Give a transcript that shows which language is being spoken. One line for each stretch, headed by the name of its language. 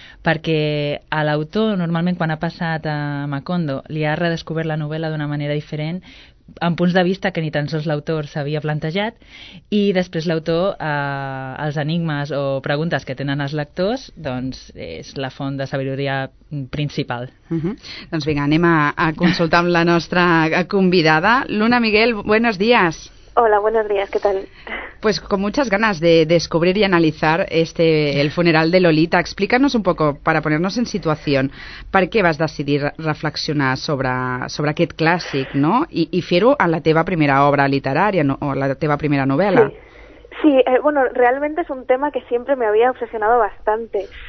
Catalan: Perquè a l'autor, normalment, quan ha passat a Macondo, li ha redescobert la novel·la d'una manera diferent, amb punts de vista que ni tan sols l'autor s'havia plantejat, i després l'autor, els enigmes o preguntes que tenen els lectors, doncs és la font de sabidoria principal. Uh-huh. Doncs vinga, anem a consultar amb la nostra convidada.
Spanish: Luna Miguel, buenos días. Hola, buenos días, ¿qué tal? Pues con muchas ganas de descubrir y analizar este El funeral de Lolita. Explícanos un poco, para ponernos en situación,
Catalan: ¿per què vas decidir reflexionar sobre aquest clàssic, no? I fer-ho a la teva primera obra literària, no, o a la teva primera novel·la.
Spanish: Sí, bueno, realmente es un tema que siempre me había obsesionado bastante.